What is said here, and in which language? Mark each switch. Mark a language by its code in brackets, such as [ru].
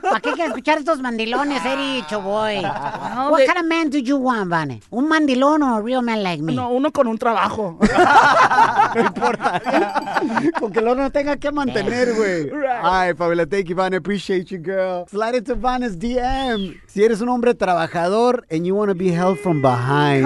[es] ¿Para qué quieres escuchar estos mandilones, Eddie, Choboy? [en] What kind of man do you want, Van? [es] ¿Un mandilón o [en] a real man like me? [es] No, uno con un trabajo. No importa. Con que lo no tenga que mantener, güey. [en] Right. All right, Fabiola, thank you, Van. Appreciate you, girl. Slide into Van's DM. [es] Si eres un hombre trabajador [en] and you want to be held from behind.